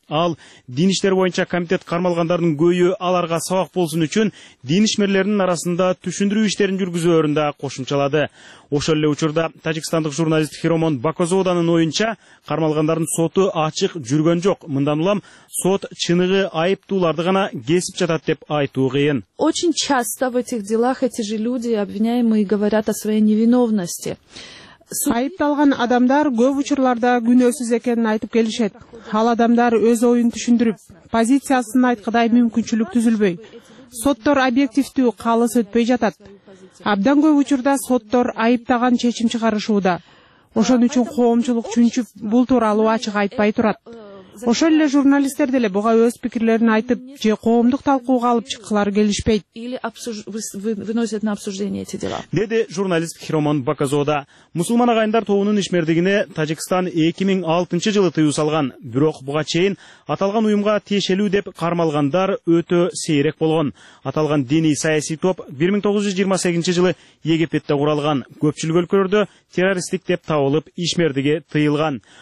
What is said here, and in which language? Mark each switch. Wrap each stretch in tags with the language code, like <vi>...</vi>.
<ky>Ал дин иштери боюнча комитет кармалгандардын көйү аларга сабак болсун үчүн дин ишмерлеринин арасында түшүндүрүү иштерин жүргүзөөрүн да кошумчалады. Ошол эле учурда тажикстандык журналист Хиромон Бакозоданын оюнча кармалгандардын соту ачык жүргөн жок. Мындан улам сот чыныгы айыптууларды гана кесип жатат деп айтуу кыйын.</ky> <ru>Очень часто в этих делах эти же люди, обвиняемые, говорят о своей невиновности.</ru> <ky>Айыпталган адамдар көп учурларда күнөөсүз экенин айтып келишет. Ал адамдар өз оюн түшүндүрүп, позициясын айткандай мүмкүнчүлүк түзүлбөй. Соттор объективдүү, калыс өтпөй жатат. Абдан көп учурда соттор айыптаган чечим чыгарышууда. Ошон үчүн коомчулук чүнчүп, бул тууралуу ачык айтпай турат. Ошол эле журналисттер деле буга өз пикирлерин айтып, же коомдук талкууга алып чыккылары келишпейт.</ky> <ru>Выносят на обсуждение эти дела.</ru> <ky>Деди журналист Хиромон Бакозода. Мусулман агайындар тобунун ишмердигине Тажикстан 2006 жылы тыюу салган. Бирок буга чейин аталган уюмга тиешелүү деп кармалгандар өтө сейрек болгон. Аталган диний саясий топ 1928 жылы Египетте куралган. Көпчүлүк өлкөлөрдө террористтик деп табылып, ишмердиги тыйылган.</ky>